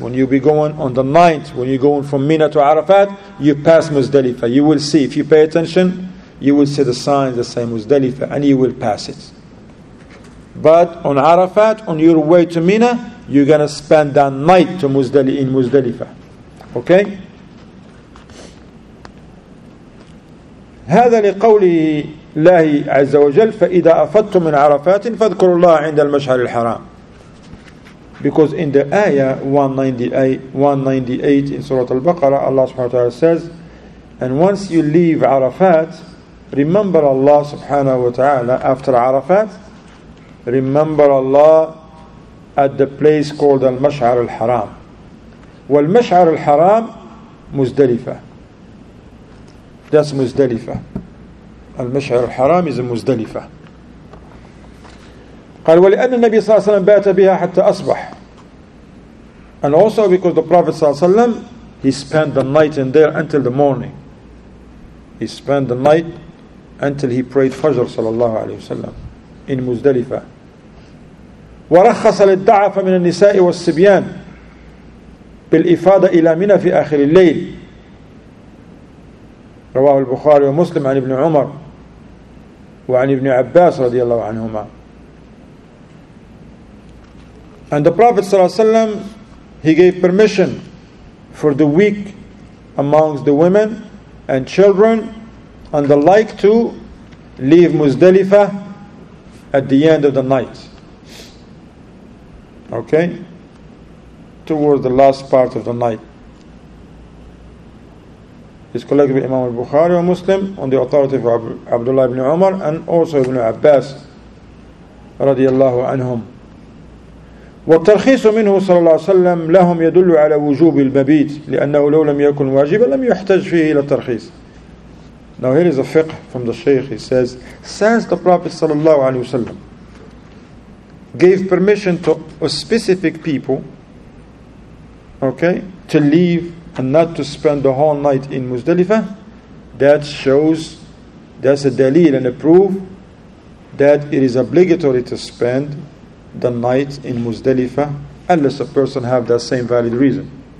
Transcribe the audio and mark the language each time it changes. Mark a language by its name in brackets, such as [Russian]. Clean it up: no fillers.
[English] When you be going on the ninth, when you're going from Mina to Arafat, you pass Muzdalifah. You will see, if you pay attention, you will see the signs that say Muzdalifah, and you will pass it. But on Arafat, on your way to Mina, you're going to spend that night to Muzdalifah. Okay? [Arabic] هذا لقوله الله عز وجل فإذا أفضتم من عرفات فاذكروا الله عند المشعر الحرام. [English] Because in the ayah 198 in Surah Al-Baqarah, Allah subhanahu wa ta'ala says, and once you leave Arafat, remember Allah subhanahu wa ta'ala after Arafat, remember Allah at the place called al-Mash'ar al-Haram. Wal-Mash'ar al-Haram, Muzdalifah. That's Muzdalifah. Al-Mash'ar al-Haram is a Muzdalifah. [Arabic] قال ولأن النبي صلى الله عليه وسلم بات بها حتى أصبح. [English] And also because the Prophet صلى الله عليه وسلم, he spent the night in there until the morning. He spent the night until he prayed Fajr صلى الله عليه وسلم in Muzdalifah. [Arabic] ورخص للضعف من النساء والصبيان بالإفاضة إلى منى في آخر الليل. رواه البخاري ومسلم عن ابن عمر وعن ابن عباس رضي الله عنهما. [English] And the Prophet صلى الله عليه وسلم, he gave permission for the weak amongst the women and children and the like to leave Muzdalifah at the end of the night. Okay? Towards the last part of the night. It's collected by Imam al-Bukhari or Muslim on the authority of Abdullah ibn Umar and also Ibn Abbas radiallahu anhum. [Arabic] والترخيص منه صلى الله عليه وسلم لهم يدل على وجوب المبيت لأنه لو لم يكن واجبا لم يحتج فيه إلى الترخيص. [English] Now here is a fiqh from the Shaykh. He says, since the Prophet صلى الله عليه وسلم gave permission to a specific people, okay, to leave and not to spend the whole night in Muzdalifah, that shows, that's a dalil and a proof that it is obligatory to spend the night in Muzdalifah unless a person have that same valid reason.